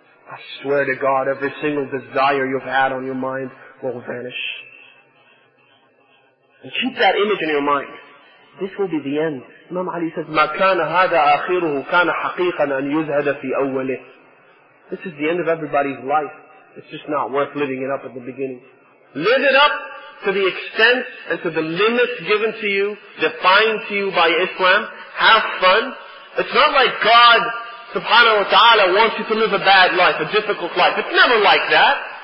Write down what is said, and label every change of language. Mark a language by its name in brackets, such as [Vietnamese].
[English] I swear to God, every single desire you've had on your mind will vanish. And keep that image in your mind. This will be the end. Imam Ali says, [Arabic] مَا كَانَ هَذَا آخِرُهُ كَانَ حَقِيقًا أَنْ يُزْهَدَ فِي أَوَّلِهِ. [English] This is the end of everybody's life. It's just not worth living it up at the beginning. Live it up to the extent and to the limits given to you, defined to you by Islam. Have fun. It's not like God subhanahu wa ta'ala wants you to live a bad life, a difficult life. It's never like that.